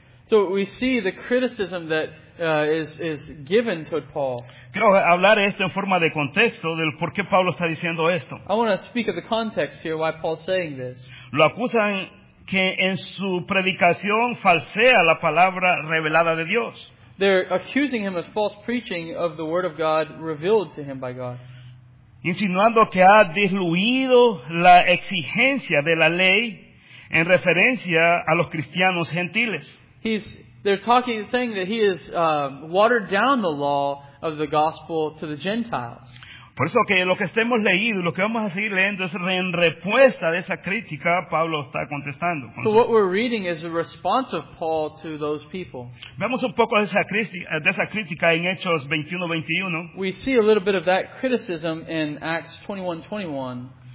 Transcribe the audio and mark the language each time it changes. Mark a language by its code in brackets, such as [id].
[en] So we see the criticism that is given to Paul. [es] Quiero hablar esto en forma de contexto del por qué Pablo está diciendo esto. [en] I want to speak of the context here why Paul's saying this. [es] Lo acusan que en su predicación falsea la palabra revelada de Dios. [en] They're accusing him of false preaching of the word of God revealed to him by God. [es] Insinuando que ha diluido la exigencia de la ley en referencia a los cristianos gentiles. [en] They're saying that he has watered down the law of the gospel to the Gentiles. [es] Por eso que lo que estemos leyendo, lo que vamos a seguir leyendo es en respuesta de esa crítica, Pablo está contestando. [en] So what we're reading is a response of Paul to those people. [es] Vemos un poco de esa crítica en Hechos 21:21. [en] We see a little bit of that criticism in Acts 21:21.